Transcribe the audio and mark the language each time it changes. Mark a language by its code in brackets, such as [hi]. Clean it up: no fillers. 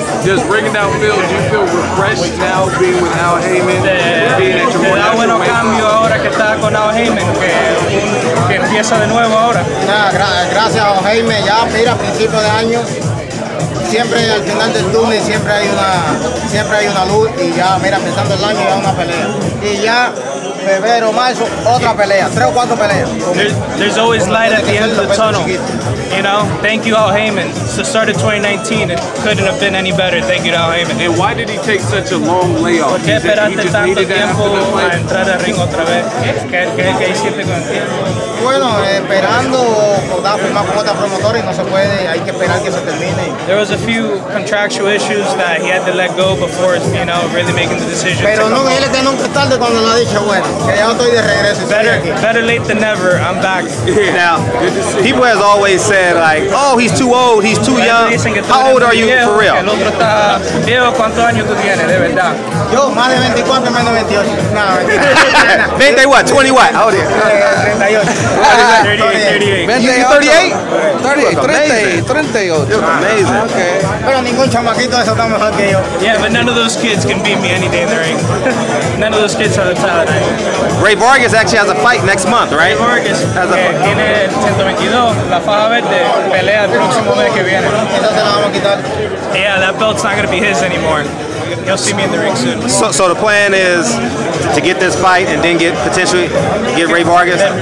[en] Just ringing down field, do you feel refreshed now being with Al Heyman? Yeah. [es] Bueno cambio ahora que está con Al Heyman, que empieza de nuevo ahora. Gracias Al Heyman, ya mira, a principio de año, siempre al final del túnel siempre hay una luz y ya mira, empezando el año ya una pelea. Y ya febrero, marzo, otra pelea, tres o cuatro peleas. [en] There's always light at the end of the tunnel. You know, thank you, Al Heyman. It's the start of 2019. It couldn't have been any better. Thank you, Al Heyman. And why did he take such a long layoff? [es] ¿Por qué esperaste tanto tiempo a entrar al ring otra vez? ¿Qué hiciste con el tiempo? Bueno, esperando a firmar con otra promotora y no se puede. Hay que esperar que se termine. [en] There was a few contractual issues that he had to let go before, you know, really making the decision. [es] Pero no, él está nunca tarde cuando lo ha dicho, bueno, que ya estoy de regreso. [en] Better late than never. I'm back. Now, people has always said, like, oh, he's too old, he's too young. How old are you for real? [es] El otro está viejo. ¿Cuántos años tú tienes, de verdad? Yo, más de 24, menos 28. No, [en] 20 what? 20 what? How old are you? 38. 38? 38. You're amazing. Okay. [es] Pero ningún chamaquito eso está mejor que yo. [en] Yeah, but none of those kids can beat me any day in the ring. None of those kids are the talent. Ray Vargas actually has a fight next month, right? Ray Vargas has a fight. [es] Tiene 122, la faja verde, pelea el próximo mes que viene. Quizás se la vamos a quitar. [en] Yeah, that belt's not going to be his anymore. You'll see me in the ring soon. So the plan is to get this fight and then get Ray Vargas?